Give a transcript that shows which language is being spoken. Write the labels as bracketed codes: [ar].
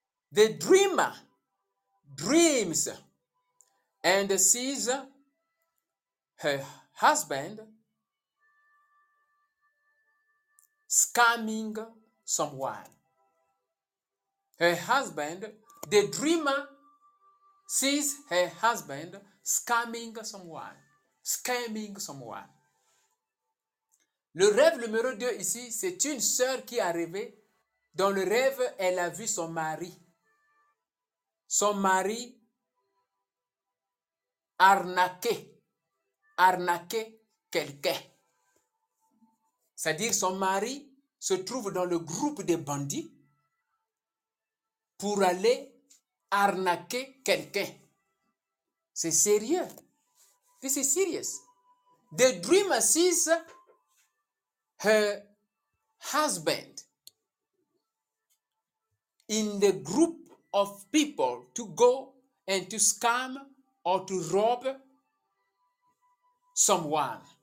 [en] The dreamer dreams and sees her husband scamming someone. Her husband, the dreamer sees her husband scamming someone. Scamming someone. [fr] Le rêve numéro 2 ici, c'est une sœur qui a rêvé. Dans le rêve, elle a vu son mari. Son mari arnaquer quelqu'un. C'est-à-dire son mari se trouve dans le groupe des bandits pour aller arnaquer quelqu'un. C'est sérieux. [en] This is serious. The dreamer sees her husband in the group of people to go and to scam or to rob someone.